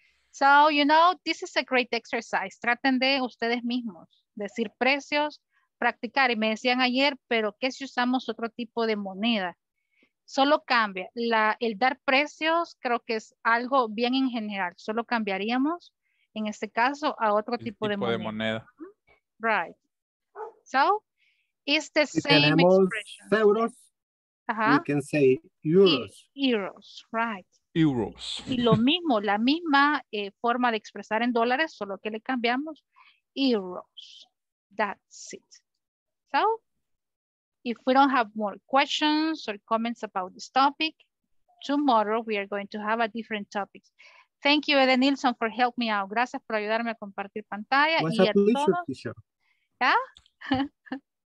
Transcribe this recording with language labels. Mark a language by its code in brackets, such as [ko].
[en] So, you know, this is a great exercise. [es] Traten de ustedes mismos decir precios, practicar. Y me decían ayer, pero ¿qué si usamos otro tipo de moneda? Solo cambia, el dar precios creo que es algo bien en general, solo cambiaríamos en este caso a otro tipo de moneda. [en] Right. So, it's the [es] si [en] same [es] tenemos [en] expression. Euros, ajá. We can say euros. Euros, right. Euros. [es] Y lo mismo, la misma forma de expresar en dólares, solo que le cambiamos euros. [en] That's it. So, if we don't have more questions or comments about this topic, tomorrow we are going to have a different topic. Thank you, Eden Nilsson, for helping me out. [es] Gracias por ayudarme a compartir pantalla. What's y a pleasure, todo. [en] Yeah?